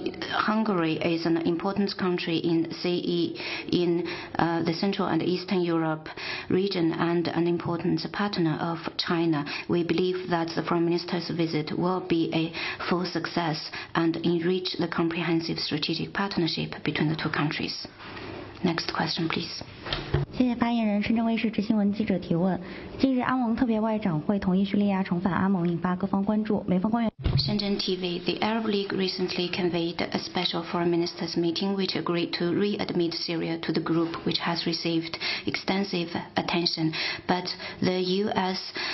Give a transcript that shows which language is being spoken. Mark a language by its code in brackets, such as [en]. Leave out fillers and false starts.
[en] Hungary is an important country in the Central and Eastern Europe region and an important partner of China. We believe that the Foreign Minister's visit will be a full success and enrich the comprehensive strategic partnership between the two countries. Next question, please. [zh] 谢谢发言人。深圳卫视执新闻记者提问。近日，阿盟特别外长会同意叙利亚重返阿盟，引发各方关注。美方官员。 [en] Shenzhen TV, the Arab League recently convened a special foreign ministers meeting which agreed to readmit Syria to the group, which has received extensive attention. But the U.S.